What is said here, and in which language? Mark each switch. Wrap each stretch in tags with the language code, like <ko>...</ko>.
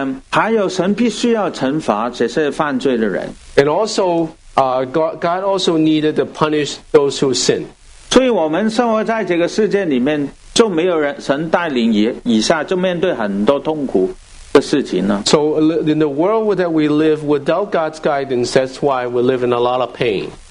<zh>还有神必须要惩罚这些犯罪的人。</zh> <en>And also, God also needed to punish those who sin.</en> <zh>所以我们生活在这个世界里面，就没有人神带领以下，就面对很多痛苦的事情呢。</zh> <en>So in the world that we live without God's guidance, that's why we live in a lot of pain.</en>